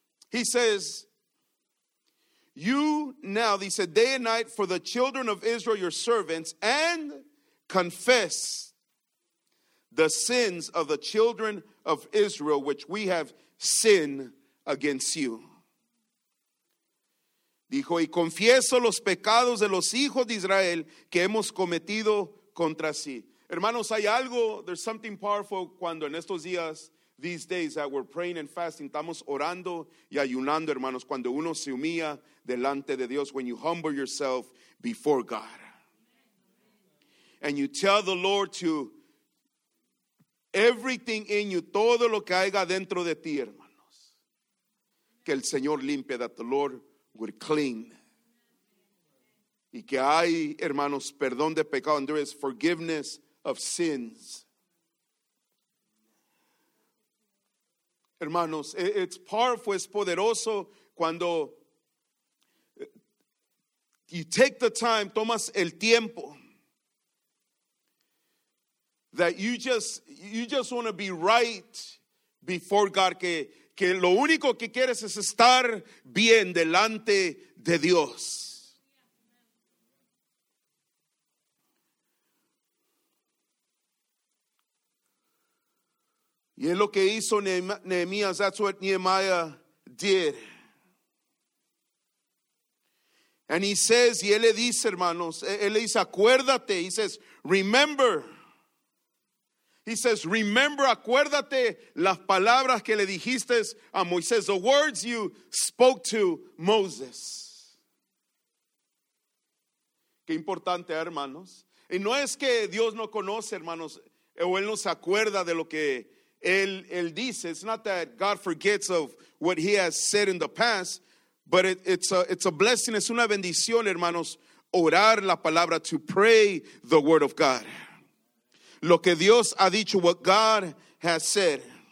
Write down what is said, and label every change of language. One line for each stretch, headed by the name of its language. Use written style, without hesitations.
English: He says, you now, he said, day and night for the children of Israel, your servants, and confess the sins of the children of Israel, which we have sinned against you.
Spanish: Dijo, y confieso los pecados de los hijos de Israel que hemos cometido contra sí. Hermanos, hay algo,
English: there's something powerful
Spanish: cuando en estos días,
English: these days that we're praying and fasting,
Spanish: estamos orando y ayunando, hermanos, cuando uno se humilla delante de Dios,
English: when you humble yourself before God. And you tell the Lord to everything in you,
Spanish: todo lo que haya dentro de ti, hermano. Que el Señor limpie,
English: that the Lord will clean.
Spanish: Y que hay, hermanos, perdón de pecado.
English: And there is forgiveness of sins.
Spanish: Hermanos,
English: it's powerful,
Spanish: es poderoso cuando
English: you take the time,
Spanish: tomas el tiempo.
English: That you just want to be right before God.
Spanish: Que lo único que quieres es estar bien delante de Dios. Y es lo que hizo Nehemías.
English: That's what Nehemiah did. And he says,
Spanish: y él le dice, hermanos, él le dice, acuérdate.
English: He says, remember. He says, remember,
Spanish: acuérdate las palabras que le dijiste a Moisés.
English: The words you spoke to Moses.
Spanish: Qué importante, hermanos. Y no es que Dios no conoce, hermanos, o Él no se acuerda de lo que Él dice.
English: It's not that God forgets of what He has said in the past, but it's a blessing,
Spanish: es una bendición, hermanos, orar la palabra,
English: to pray the word of God.
Spanish: Lo que Dios ha dicho,
English: what God has said.